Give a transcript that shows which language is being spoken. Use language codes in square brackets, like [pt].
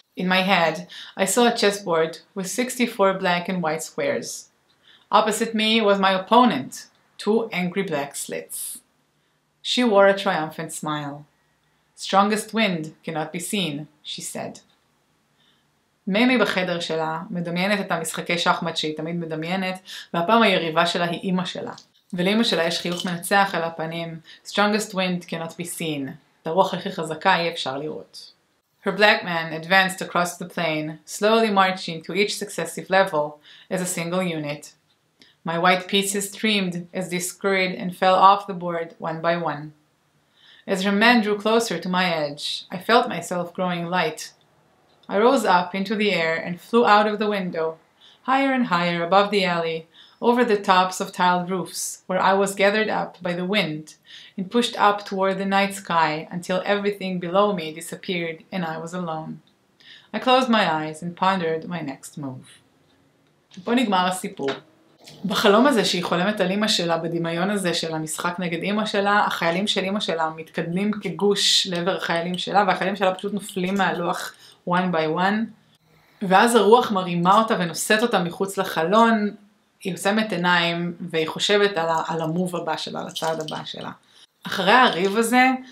[en] In my head, I saw a chessboard with 64 black and white squares. Opposite me was my opponent, two angry black slits. She wore a triumphant smile. Strongest wind cannot be seen, she said. [he] מימי בחדר שלה מדמיינת את המשחקי שחמט שהיא תמיד מדמיינת, והפעם היריבה שלה היא אמא שלה. ולאמא שלה יש חיוך מנצח על הפנים. [en] Strongest wind cannot be seen. [he] את הרוח הכי חזקה אי אפשר לראות. [en] Her black man advanced across the plain, slowly marching to each successive level as a single unit. My white pieces streamed as they scurried and fell off the board one by one. As her man drew closer to my edge, I felt myself growing light. I rose up into the air and flew out of the window, higher and higher above the alley, over the tops of tiled roofs, where I was gathered up by the wind and pushed up toward the night sky until everything below me disappeared and I was alone. I closed my eyes and pondered my next move. [he] פה נגמר הסיפור. בחלום הזה שהיא חולמת על אמא שלה, בדמיון הזה של המשחק נגד אמא שלה, החיילים של אמא שלה מתקדמים כגוש לעבר החיילים שלה, והחיילים שלה פשוט נופלים מהלוח [en] one by one, [he] ואז הרוח מרימה אותה ונוסעת אותה מחוץ לחלון, היא עושמת עיניים והיא חושבת על המוב הבא שלה, על הצעד הבא שלה. אחרי הריב הזה,